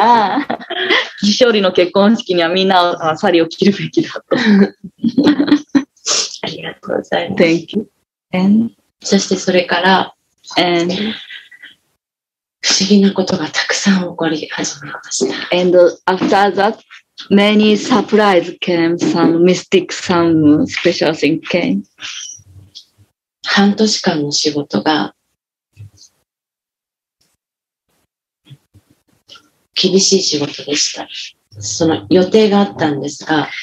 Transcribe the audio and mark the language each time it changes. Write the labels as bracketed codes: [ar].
[ja] ああ、気象理の結婚式にはみんなはサリーを着るべきだと。ありがとうございます。 [en] Thank you. And? [ja] そしてそれから、 [en] And? [ja] 不思議なことがたくさん起こり始めました。 [en] And after that, many surprises came, some mystic, some special things came. [ja] 半年間の仕事が厳しい仕事でした。その予定があったんですが、